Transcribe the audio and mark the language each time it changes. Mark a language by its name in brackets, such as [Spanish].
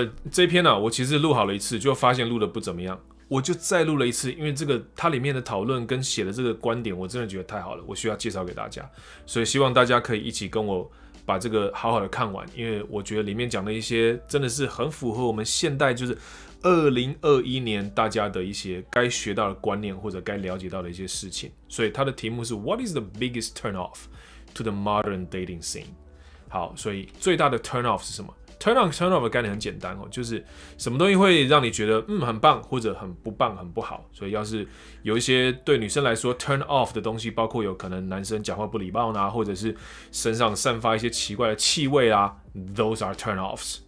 [Chinese] 这篇呢、啊，我其实录好了一次，就发现录的不怎么样，我就再录了一次，因为这个它里面的讨论跟写的这个观点，我真的觉得太好了，我需要介绍给大家，所以希望大家可以一起跟我把这个好好的看完，因为我觉得里面讲的一些真的是很符合我们现代，就是2021年大家的一些该学到的观念或者该了解到的一些事情。所以它的题目是 [English] What is the biggest turn off to the modern dating scene？ [Chinese] 好，所以最大的 turn off 是什么？ turn off 的概念很简单哦，就是什么东西会让你觉得很棒，或者很不棒、很不好。所以要是有一些对女生来说 turn off 的东西，包括有可能男生讲话不礼貌啊，或者是身上散发一些奇怪的气味啊， [English] those are turn offs。